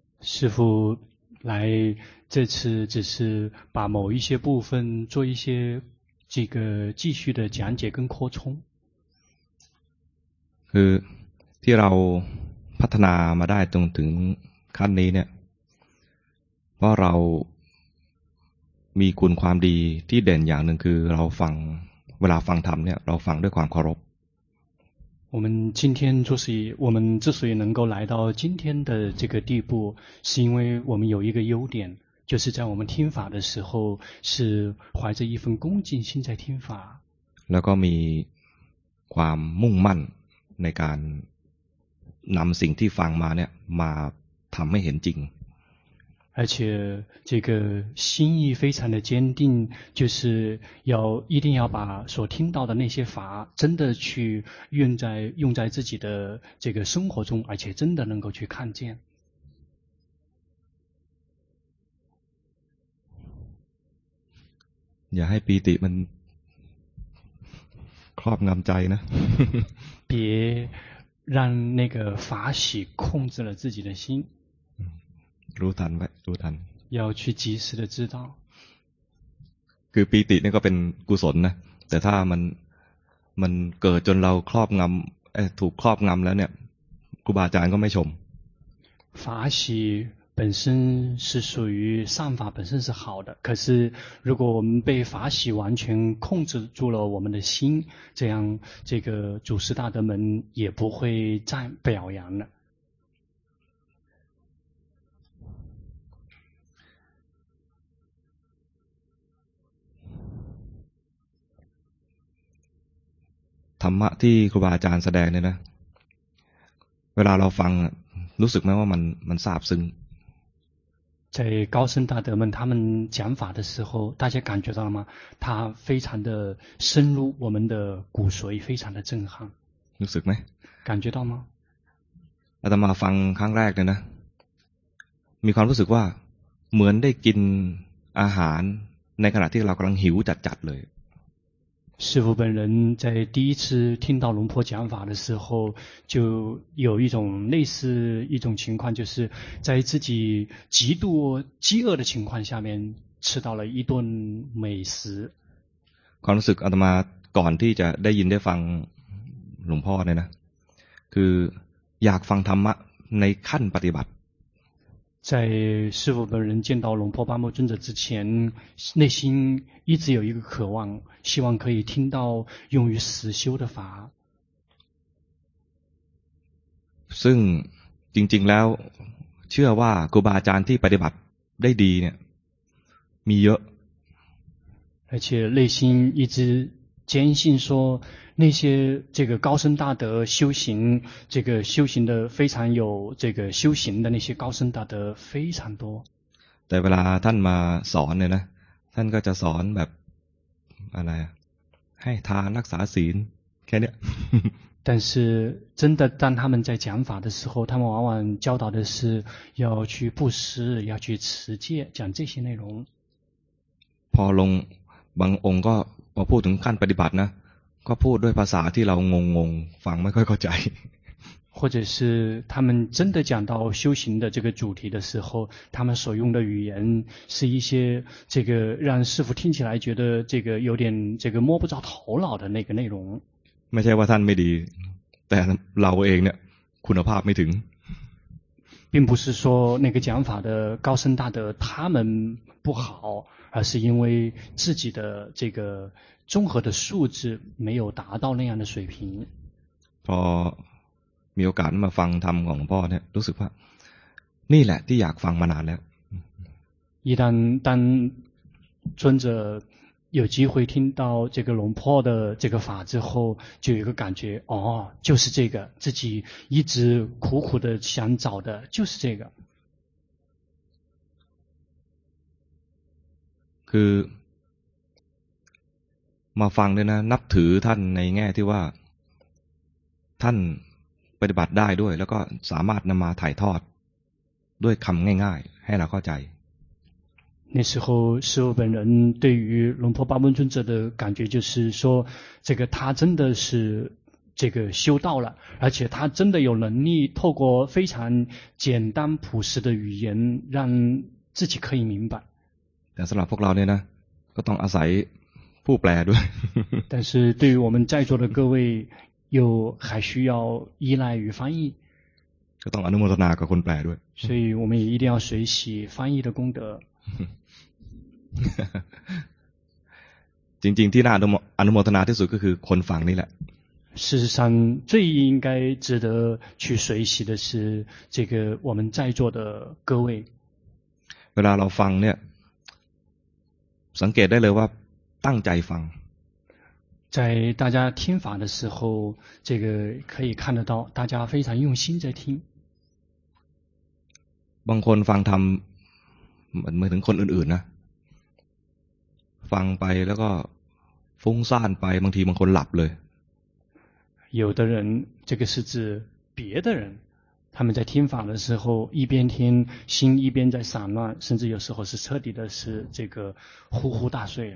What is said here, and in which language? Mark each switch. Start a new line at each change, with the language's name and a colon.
Chinese: 师父来这次只是把某一些部分做一些这个继续的讲解跟扩充
Thai: คือที่เราพัฒนามาได้จนถึงขั้นนี้เนี่ยเพราะเรามีคุณความดีที่เด่นอย่างหนึ่งคือเราฟังเวลาฟังธรรมเนี่ยเราฟังด้วยความเคารพ
Chinese: 我们今天就是我们之所以能够来到今天的这个地步是因为我们有一个优点就是在我们听法的时候是怀着一份恭敬心在听法
Thai: แล้วก็มีความมุ่งมั่นในการนำสิ่งที่ฟังมาเนี่ยมาทำให้เห็นจริง
Chinese: 而且这个心意非常的坚定就是要一定要把所听到的那些法真的去用在自己的这个生活中而且真的能够去看见
Thai: อย่าให้ปีติมันครอบงำใจนะ
Chinese: 别让那个法喜控制了自己的心
Thai: รู้ทันไว้รู้ทัน
Chinese: 要去及时的知道
Thai: คือปีตินี่ก็เป็นกุศลนะแต่ถ้ามันเกิดจนเราครอบงำถูกครอบงำแล้วเนี่ยครูบาอาจารย์ก็ไม่ชม
Chinese: 法喜本身是属于善法本身是好的可是如果我们被法喜完全控制住了我们的心这样这个祖师大德们也不会再表扬了
Thai: ธรรมะที่ครูบาอาจารย์แสดงเนี่ยนะเวลาเราฟังรู้สึกไหมว่ามันซาบซึ้ง
Chinese: 在高僧大德们他们讲法的时候大家感觉到了吗他非常的深入我们的骨髓非常的震撼
Thai: รู้สึกไหม
Chinese: 感觉到吗
Thai: อาตมาฟังครั้งแรกเนี่ยนะมีความรู้สึกว่าเหมือนได้กินอาหารในขณะที่เรากำลังหิวจัดๆเลย
Chinese: 师父本人在第一次听到龙婆讲法的时候就有一种类似一种情况就是在自己极度饥饿的情况下面吃到了一顿美食
Thai: ความรู้สึกอาตมาก่อนที่จะได้ยินได้ฟังหลวงพ่อเนี่ยนะคืออยากฟังธรรมะในขั้นปฏิบัติ
Chinese: 在师父本人见到龙婆巴木尊者之前内心一直有一个渴望希望可以听到用于实修的法
Thai: ซึ่งจริงๆแล้วเชื่อว่าครูบาอาจารย์ที่ปฏิบัติได้ดีเนี่ยมีเยอะ
Chinese: 而且内心一直坚信说那些这个高僧大德修行，这个修行的非常有这个修行的那些高僧大德非常多。
Thai: แต่เวลาท่านมาสอนเนี่ยนะท่านก็จะสอนแบบอะไรให้ทานรักษาศีลแค่เนี้ย
Chinese: 但是真的当他们在讲法的时候，他们往往教导的是要去布施，要去持戒，讲这些内容。
Thai: พอลงบางองค์ก็พอพูดถึงขั้นปฏิบัตินะก็พูดด้วยภาษาที่เรางงๆฟังไม่ค่อยเข้าใจ
Chinese: 或者是他们真的讲到修行的这个主题的时候，他们所用的语言是一些这个让师父听起来觉得这个有点这个摸不着头脑的那个内容。
Thai: ไม่ใช่ว่าท่านไม่ดีแต่เราเองเนี่ยคุณภาพไม่ถึง
Chinese: 并不是说那个讲法的高僧大德他们不好，而是因为自己的这个综合的素质没有达到那样的水平。
Thai: พอมีโอกาสมาฟังธรรมของหลวงพ่อเนี่ยรู้สึกว่านี่แหละที่อยากฟังมานานแล้ว
Chinese: 一旦当尊者有机会听到这个龙婆的这个法之后，就有一个感觉，哦，就是这个，自己一直苦苦的想找的就是这个。
Thai: คือมาฟังเนี่ยนะนับถือท่านในแง่ที่ว่าท่านปฏิบัติได้ด้วยแล้วก็สามารถนำมาถ่ายทอดด้วยคำง่ายๆให้เราเข้าใจ
Chinese: 那时候师父本人对于龙婆巴门尊者的感觉就是说这个他真的是这个修道了而且他真的有能力透过非常简单朴实的语言让自己可以明白
Thai: แต่สำหรับพวกเราเนี่ยนะก็ต้องอาศัยผู้แปลด้วย
Chinese: 但是对于我们在座的各位又还需要依赖于翻译
Thai: ก็ต้องอนุโมทนากับคนแปลด้วย
Chinese: 所以我们也一定要随喜翻译的功德
Thai: จริงๆที่น่าอนุโมทนาที่สุดก็คือคนฟังนี่แหละ
Chinese: 事实上最应该值得去随喜的是这个我们在座的各位
Thai: เวลาเราฟังเนี่ยสังเกตได้เลยว่าตั้งใจฟัง
Chinese: 在大家听法的时候，这个可以看得到，大家非常用心在听。
Thai: บางคนฟังธรรมเหมือนถึงคนอื่นๆนะฟังไปแล้วก็ฟุ้งซ่านไปบางทีบางคนหลับเลย
Chinese: 有的人，这个是指别的人，他们在听法的时候一边听心一边在散乱，甚至有时候是彻底的是这个呼呼大睡。